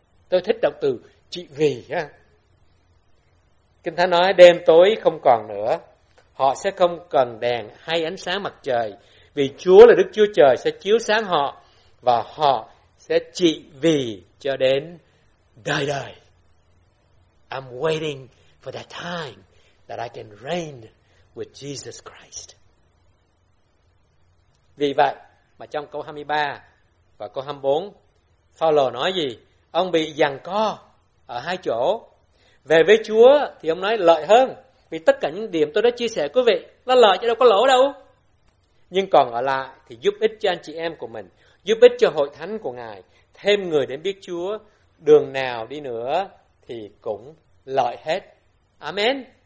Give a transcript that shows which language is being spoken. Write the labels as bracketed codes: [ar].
[vi] Tôi thích động từ trị vì ha. Kinh Thánh nói đêm tối không còn nữa, họ sẽ không cần đèn hay ánh sáng mặt trời, vì Chúa là Đức Chúa Trời sẽ chiếu sáng họ, và họ sẽ trị vì cho đến đời đời. [en] I'm waiting for that time that I can reign with Jesus Christ. [vi] Vì vậy mà trong câu 23 và câu 24, Phao-lô nói gì? Ông bị giằng co ở hai chỗ. Về với Chúa thì ông nói lợi hơn, vì tất cả những điểm tôi đã chia sẻ quý vị, nó lợi chứ đâu có lỗ đâu. Nhưng còn ở lại thì giúp ích cho anh chị em của mình, giúp ích cho hội thánh của Ngài, thêm người đến biết Chúa, đường nào đi nữa thì cũng lợi hết. Amen.